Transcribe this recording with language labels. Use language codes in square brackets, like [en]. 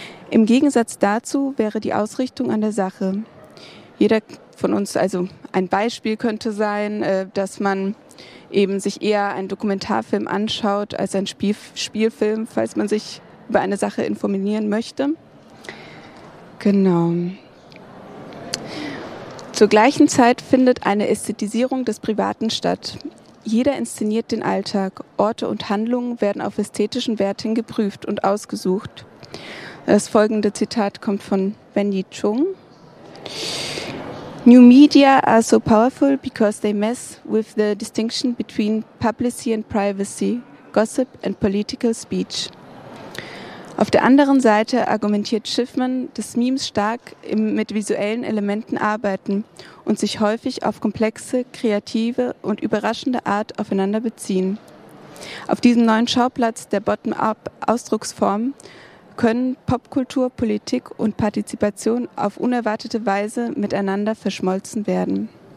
[de] Im Gegensatz dazu wäre die Ausrichtung an der Sache. Jeder von uns, also ein Beispiel könnte sein, dass man eben sich eher einen Dokumentarfilm anschaut als einen Spielfilm, falls man sich über eine Sache informieren möchte. Genau. Zur gleichen Zeit findet eine Ästhetisierung des Privaten statt. Jeder inszeniert den Alltag. Orte und Handlungen werden auf ästhetischen Werten geprüft und ausgesucht. Das folgende Zitat kommt von Wendy Chung. [en] New media are so powerful because they mess with the distinction between publicity and privacy, gossip and political speech. [de] Auf der anderen Seite argumentiert Schiffman, dass Memes stark mit visuellen Elementen arbeiten und sich häufig auf komplexe, kreative und überraschende Art aufeinander beziehen. Auf diesem neuen Schauplatz der Bottom-up-Ausdrucksform können Popkultur, Politik und Partizipation auf unerwartete Weise miteinander verschmolzen werden.